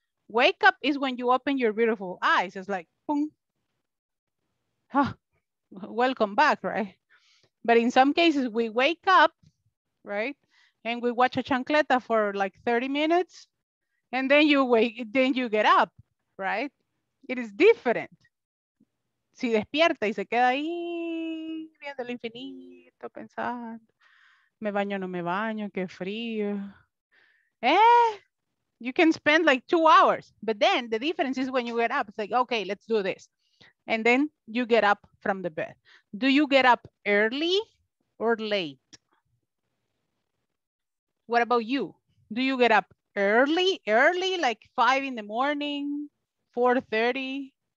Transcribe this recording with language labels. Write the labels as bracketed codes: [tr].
[en] Wake up is when you open your beautiful eyes. It's like, boom. Huh. Welcome back, right? But in some cases we wake up, right? And we watch a chancleta for like 30 minutes and then you wake, then you get up, right? It is different. [es] Si despierta y se queda ahí viendo el infinito, pensando, me baño, no me baño, qué frío. [en] You can spend like 2 hours, but then the difference is when you get up, it's like, okay, let's do this. And then you get up from the bed. Do you get up early or late? What about you? Do you get up early, early, like 5 in the morning, 4:30?